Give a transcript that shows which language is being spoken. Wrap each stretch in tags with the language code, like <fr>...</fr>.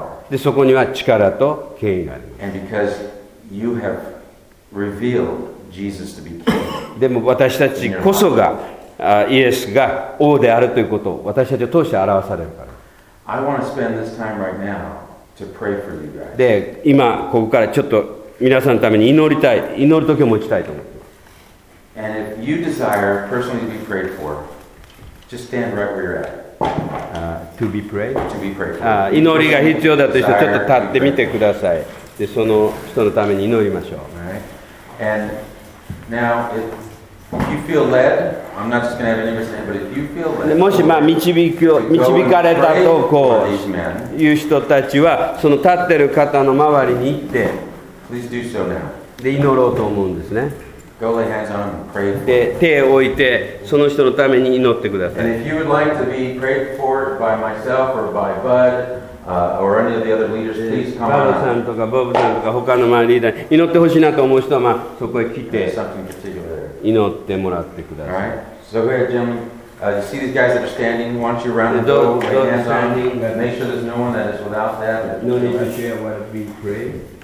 <ja>で、そこには力と権威があります。</ja> <en>And because you have revealed Jesus to be king.</en> <ja>でも私たちこそがイエスが王であるということを私たちを通して表されるから。</ja> <en>I want to spend this time right now to pray for you guys.</en> <ja>で、今ここからちょっと皆さんのために祈りたい、祈る時を持ちたいと思います。</ja> <en>And if you desire personally to be prayed for, just stand right where you're at. To be prayed? To be prayed for.</en> <ja>祈りが必要だという人はちょっと立ってみてください。で、その人のために祈りましょう。</ja> <en>Right. And now if you feel led, I'm not just going to have anybody stand, but if you feel led,</en> <ja>もしまあ導かれたとこういう人たちはその立ってる方の周りに行って。</ja> <en>Please do so now.</en> <ja>で祈ろうと思うんですね。</ja> <en>Go lay hands on and pray for.</en> <ja>で手を置いてその人のために祈ってください。</ja> <en>And if you would like to be prayed for by myself or by Bud, or any of the other leaders, please come on.</en> <ja>バブさんとかボブさんとか他のリーダーに祈ってほしいなと思う人はまあそこへ来て祈ってもらってください。</ja> <en>All right. So go ahead, Jim. You see these guys that are standing. Why don't you round and go lay hands on. Make sure there's no one that is without that. No need to share what we pray.</en>